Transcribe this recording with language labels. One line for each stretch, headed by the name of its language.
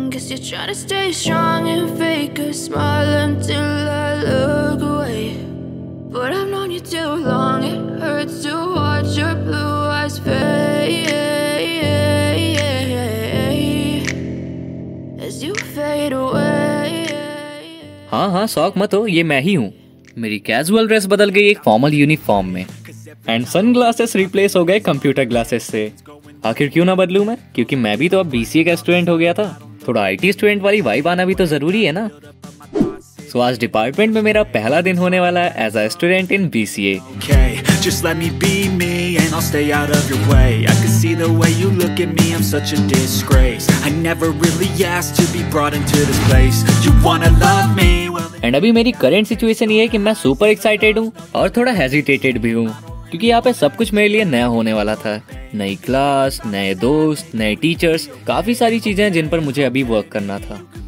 English: Guess you're trying to stay strong and fake a smile until I look away. But I've known you too long, it hurts to watch your blue eyes fade as you fade away.
Hindi: हाँ हाँ शौक मत हो, ये मैं ही हूँ। मेरी casual dress बदल गई एक फॉर्मल यूनिफॉर्म में एंड सनग्लासेस रिप्लेस हो गए कंप्यूटर ग्लासेस से। आखिर क्यों ना बदलूं मैं, क्योंकि मैं भी तो अब बीसीए का स्टूडेंट हो गया था, थोड़ा आईटी स्टूडेंट वाली वाइब आना भी तो जरूरी है ना। सो आज डिपार्टमेंट में मेरा पहला दिन होने वाला है
English: As a student in BCA. Just let me be me and I'll stay out of your way. I can see the way you look at me, I'm such a disgrace. I never really asked to be brought into this place. You wanna love me?
Hindi: And अभी मेरी current situation ये है कि मैं super excited हूँ और थोड़ा hesitated भी हूँ, क्योंकि यहाँ पे सब कुछ मेरे लिए नया होने वाला था। नई क्लास, नए दोस्त, नए टीचर्स, काफी सारी चीजें हैं जिन पर मुझे अभी वर्क करना था।